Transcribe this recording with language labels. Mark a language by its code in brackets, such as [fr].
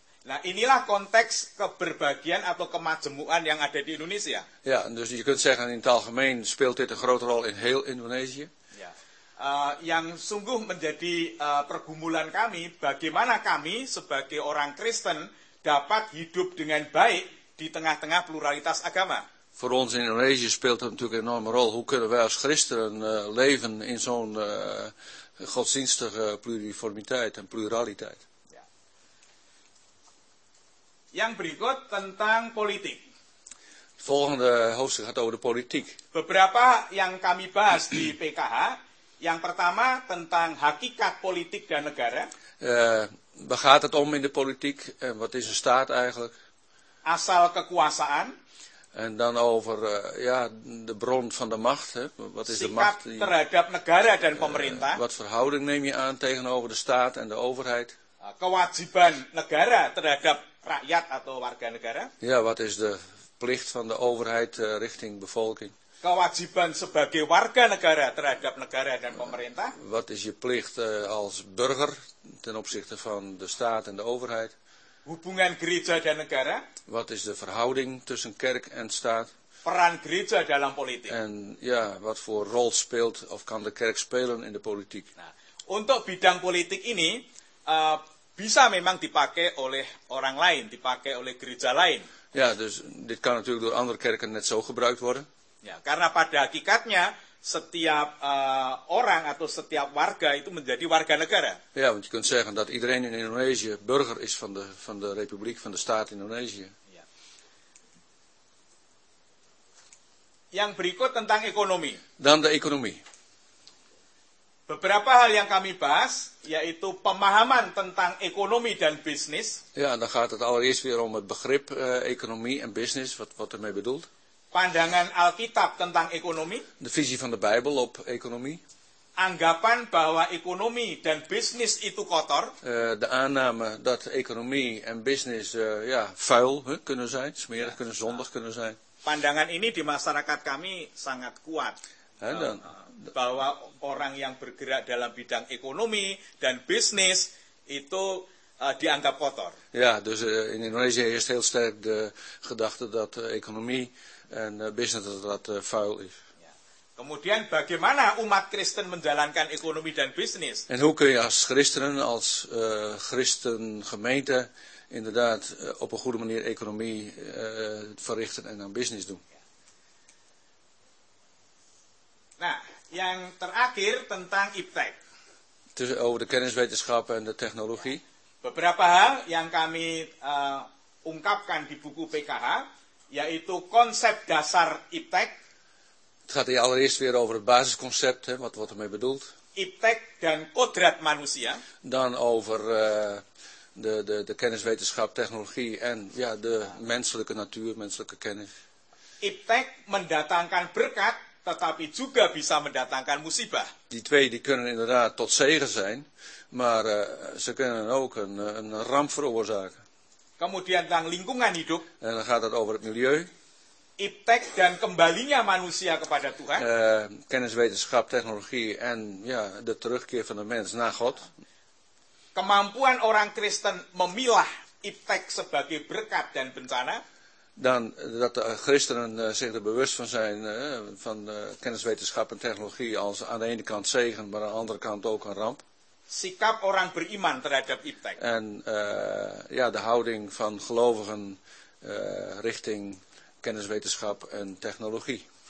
[id] Nah, inilah konteks keberbagian atau kemajemukan yang ada di Indonesia. [nl] Ja, dus je kunt zeggen in het algemeen speelt dit een grote rol in heel Indonesië. Ja. [id] Yang sungguh menjadi pergumulan kami, bagaimana kami sebagai orang Kristen dapat hidup dengan baik di tengah-tengah pluralitas agama. [nl] Voor ons in Indonesië speelt het natuurlijk een enorme rol. Hoe kunnen wij als christenen leven in zo'n godsdienstige pluriformiteit en pluraliteit? Ja. [id] Yang berikut tentang politiek. [nl] Het volgende hoofdstuk gaat over de politiek. [id] Beberapa yang kami bahas di PKH. Yang pertama tentang hakikat politik dan negara. [nl] Waar gaat het om in de politiek? En wat is een staat eigenlijk? [id] Asal kekuasaan. [nl] En dan over de bron van de macht. Hè? Wat is [id] sikap [nl] de macht die, terhadap negara dan pemerintah. Wat verhouding neem je aan tegenover de staat en de overheid? [id] Kewajiban negara terhadap rakyat atau warga negara. [nl] Ja, wat is de plicht van de overheid richting bevolking? [id] Kewajiban sebagai warga negara terhadap negara dan pemerintah. [nl] Wat is je plicht als burger ten opzichte van de staat en de overheid? [id] Hubungan gereja dan negara. [nl] Wat is de verhouding tussen kerk en staat? [id] Peran gereja dalam politiek. [nl] En ja, wat voor rol speelt of kan de kerk spelen in de politiek? [id] Nah, untuk bidang politik ini bisa memang dipakai oleh orang lain, dipakai oleh gereja lain. [nl] Ja, dus dit kan natuurlijk door andere kerken net zo gebruikt worden. [id] Ya, karena pada hakikatnya setiap orang atau setiap warga itu menjadi warga negara. [nl] Ya, want je kunt zeggen dat iedereen in Indonesië burger is van de republiek, van de staat Indonesië. Ya. [id] Yang berikut tentang ekonomi. [nl] Dan de economie. [id] Beberapa hal yang kami bahas yaitu pemahaman tentang ekonomi dan bisnis. [nl] Ya, dan gaat het allereerst weer om het begrip economie en business, wat ermee bedoeld. [id] Pandangan Alkitab tentang ekonomi. [nl] De visie van de Bijbel op economie. [id] Anggapan bahwa ekonomi dan bisnis itu kotor. [nl] De aanname dat economie en business vuil kunnen zijn, smerig kunnen, zondig kunnen zijn. [id] Pandangan ini di masyarakat kami sangat kuat. Bahwa orang yang bergerak dalam bidang ekonomi dan bisnis itu dianggap kotor. [nl] Ja, dus in Indonesië is heel sterk de gedachte dat economie en business dat vuil is. Ja. [id] Kemudian bagaimana umat Kristen menjalankan ekonomi dan bisnis? [nl] En hoe kun je als christenen, als christengemeente inderdaad op een goede manier economie verrichten en aan business doen? Ja. [id] Nah, yang terakhir tentang IPTEC. [nl] Over de kenniswetenschappen en de technologie. Ja. [id] Beberapa hal yang kami ungkapkan di buku PKH. Yaitu konsep dasar IPTEC. [nl] Het gaat hier allereerst weer over het basisconcept, hè, wat wordt ermee bedoeld. [id] IPTEC dan kodrat manusia. [nl] Dan over de kenniswetenschap, technologie en menselijke natuur, menselijke kennis. [id] IPTEC mendatangkan berkat, tetapi juga bisa mendatangkan musibah. [nl] Die twee die kunnen inderdaad tot zegen zijn, maar ze kunnen ook een ramp veroorzaken. [id] Kemudian tentang lingkungan hidup. [nl] En dan gaat het over het milieu. [id] IPTEC dan kembalinya manusia kepada Tuhan. [nl] Kennis, wetenschap, technologie en de terugkeer van de mens naar God. [id] Kemampuan orang Kristen memilah IPTEC sebagai berkat dan bencana. [nl] Dan dat de christenen zich er bewust van zijn van kennis, wetenschap en technologie als aan de ene kant zegen, maar aan de andere kant ook een ramp. [id] Sikap orang beriman terhadap IPTEC. [nl] En de houding van gelovigen richting kenniswetenschap en technologie.